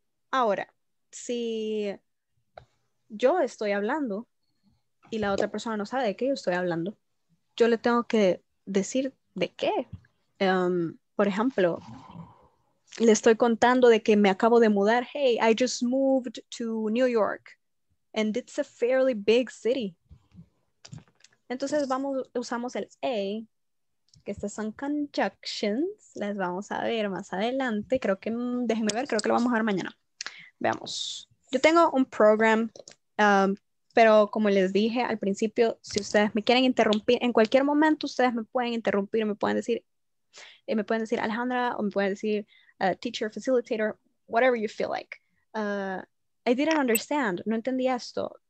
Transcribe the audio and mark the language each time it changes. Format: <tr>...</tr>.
<es>Ahora, si yo estoy hablando y la otra persona no sabe de qué yo estoy hablando, yo le tengo que decir de qué. Por ejemplo, le estoy contando de que me acabo de mudar.</es> <en>Hey, I just moved to New York and it's a fairly big city.</en> <es>Entonces usamos el A, que estas son conjunctions, las vamos a ver más adelante, creo que lo vamos a ver mañana. Veamos, yo tengo un program, pero como les dije al principio, si ustedes me quieren interrumpir, en cualquier momento ustedes me pueden interrumpir, me pueden decir Alejandra, o me pueden decir</es> <en>teacher, facilitator, whatever you feel like. I didn't understand.</en> <es>No entendí esto.</es>